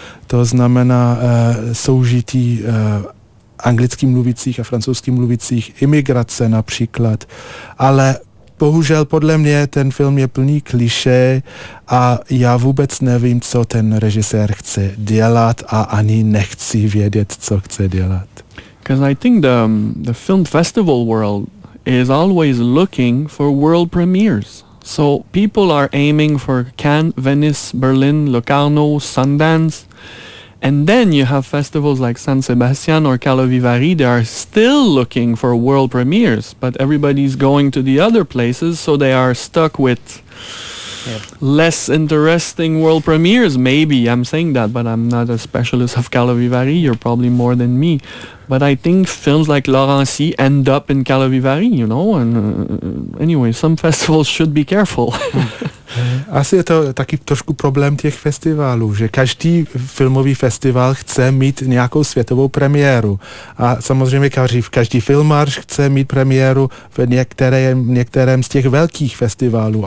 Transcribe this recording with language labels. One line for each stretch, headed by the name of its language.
Czech: To znamená soužití anglicky mluvících a francouzsky mluvících, imigrace například. Ale bohužel podle mě ten film je plný klišé a já vůbec nevím, co ten režisér chce dělat a ani nechci vědět, co chce dělat.
English: Because I think the film festival world is always looking for world premieres. So people are aiming for Cannes, Venice, Berlin, Locarno, Sundance. And then you have festivals like San Sebastian or Carlo Vivari that are still looking for world premieres, but everybody's going to the other places, so they are stuck with less interesting world premieres, maybe. I'm saying that, but I'm not a specialist of Carlo Vivari. You're probably more than me. But I think films like Laurency end up in Carlo Vivari, you know? And anyway, some festivals should be careful.
Czech: Asi je to taky trošku problém těch festivalů, že každý filmový festival chce mít nějakou světovou premiéru. A samozřejmě každý filmář chce mít premiéru v některém z těch velkých festivalů.